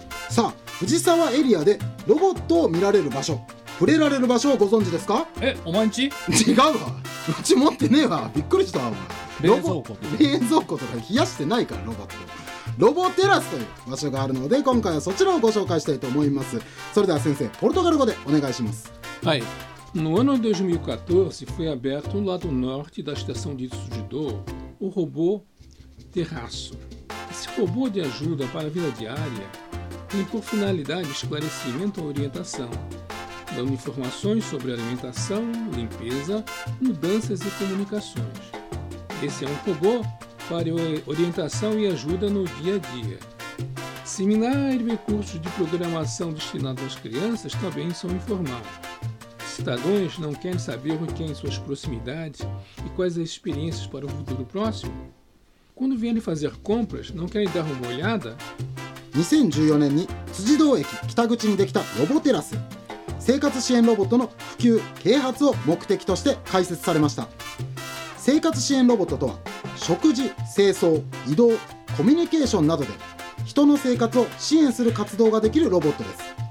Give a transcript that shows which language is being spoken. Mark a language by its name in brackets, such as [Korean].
[Japanese] さあ、藤沢エリアでロボットを見られる場所、触れられる場所をご存知ですか？え、お前んち？違うわ、うち持ってねえわ。びっくりしたわ。冷蔵庫とか冷やしてないから。ロボットロボテラスという場所があるので、今回はそちらをご紹介したいと思います。それでは先生、ポルトガル語でお願いします。はい。 [Portuguese] No ano de 2014 foi aberto o lado norte da estação de Tsujido o robô Terraço. Esse robô de ajuda para a vida diária tem por finalidade esclarecimento ou orientação, dando informações sobre alimentação, limpeza, mudanças e comunicações. Esse é um robô para orientação e ajuda no dia a dia. Seminário e cursos de programação destinados às crianças também são informados. Cidadãos não querem saber o que é em suas proximidades e quais as experiências para o futuro próximo? Quando vierem fazer compras, não querem dar uma olhada? [Japanese] 2014年に辻堂駅北口にできたロボテラス、生活支援ロボットの普及・啓発を目的として開設されました。生活支援ロボットとは、食事、清掃、移動、コミュニケーションなどで人の生活を支援する活動ができるロボットです。